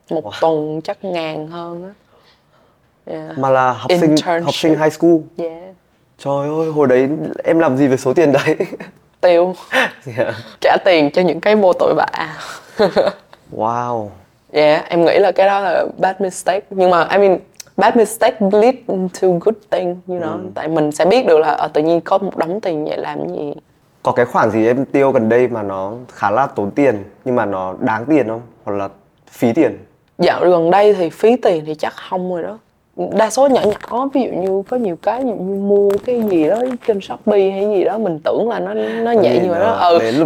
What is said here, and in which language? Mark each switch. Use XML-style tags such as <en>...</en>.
<vi>Một tuần chắc ngàn hơn á. Mà là học sinh high school. Trời ơi, hồi đấy em làm gì với số tiền đấy? Tiêu. Yeah. Trả tiền cho những cái vô tội vạ. Wow. Yeah, em nghĩ là cái đó là bad mistake.</vi> <en>Nhưng mà, I mean, bad mistake lead to good thing, you know.</en> <vi>Tại mình sẽ biết được là tự nhiên có một đống tiền vậy làm gì. Có cái khoản gì em tiêu gần đây mà nó khá là tốn tiền nhưng mà nó đáng tiền không? Hoặc là phí tiền? Dạo gần đây thì phí tiền thì chắc không rồi đó. Đa số nhỏ nhỏ, ví dụ như có nhiều cái như mua cái gì đó trên Shopee hay gì đó, mình tưởng là nó nhẹ nhưng mà nó</vi>